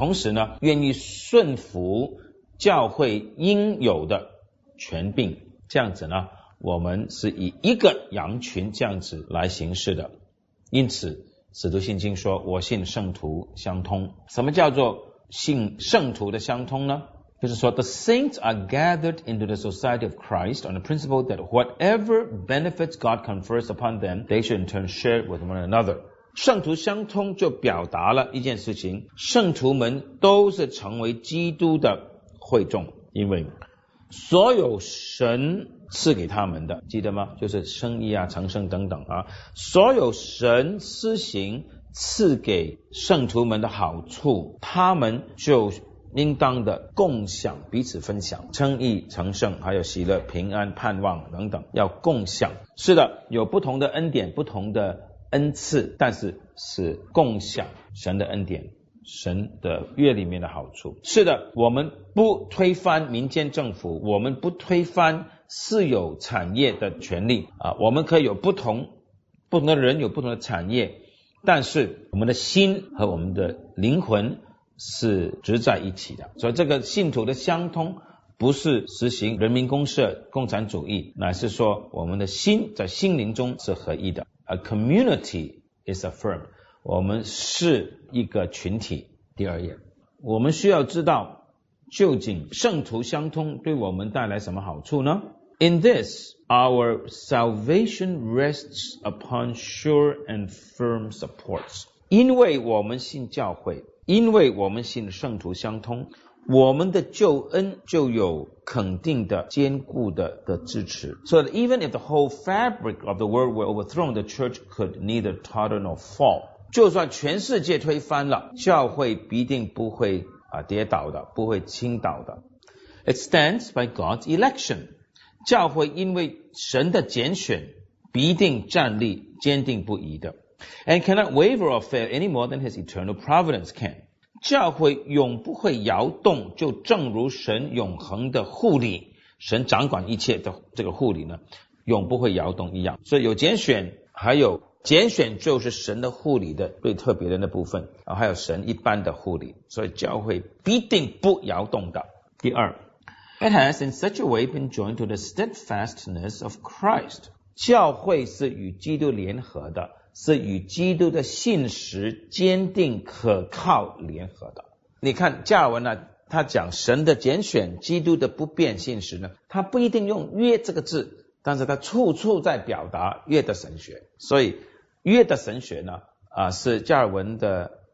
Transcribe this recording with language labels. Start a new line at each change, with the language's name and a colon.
Chinese: 同时呢，愿意顺服教会应有的权柄。这样子呢，我们是以一个羊群这样子来行事的。因此，使徒信经说：“我信圣徒相通。” 什么叫做信圣徒的相通呢？就是说
English: the saints are gathered into the society of Christ on the principle that whatever benefits God confers upon them, they should in turn share with one another.
Chinese: 圣徒相通就表达了一件事情，圣徒们都是成为基督的会众，因为所有神赐给他们的，记得吗？就是圣义啊、长生等等啊，所有神施行赐给圣徒们的好处，他们就应当的共享，彼此分享，称义、成圣，还有喜乐、平安、盼望等等，要共享。是的，有不同的恩典，不同的恩赐，但是是共享神的恩典，神的约里面的好处。是的，我们不推翻民间政府，我们不推翻私有产业的权利啊，我们可以有不同的人有不同的产业，但是我们的心和我们的灵魂是直在一起的。所以这个信徒的相通不是实行人民公社共产主义，乃是说我们的心在心灵中是合一的。
English: A community is affirmed，
Chinese: 我们是一个群体。第二页，我们需要知道究竟圣徒相通对我们带来什么好处呢？
English: In this our salvation rests upon sure and firm supports。
Chinese: 因为我们信教会，因为我们信圣徒相通，我们的救恩就有肯定的、坚固的支持。
English: So that even if the whole fabric of the world were overthrown, the church could neither totter nor fall.
Chinese: 就算全世界推翻了，教会必定不会跌倒的，不会倾倒的。
English: It stands by God's election.
Chinese: 教会因为神的拣选，必定站立坚定不移的。
English: And cannot waver or fail any more than his eternal providence can.
Chinese: 教会永不会摇动，就正如神永恒的护理，神掌管一切的这个护理呢，永不会摇动一样。所以有拣选，还有拣选就是神的护理的最特别的那部分，还有神一般的护理，所以教会必定不摇动的。第二，
English: It has in such a way been joined to the steadfastness of Christ.
Chinese: 教会是与基督联合的，是与基督的信实坚定可靠联合的。你看加尔文呢，他讲神的拣选，基督的不变信实呢，他不一定用约这个字，但是他处处在表达约的神学。所以约的神学呢，是加尔文的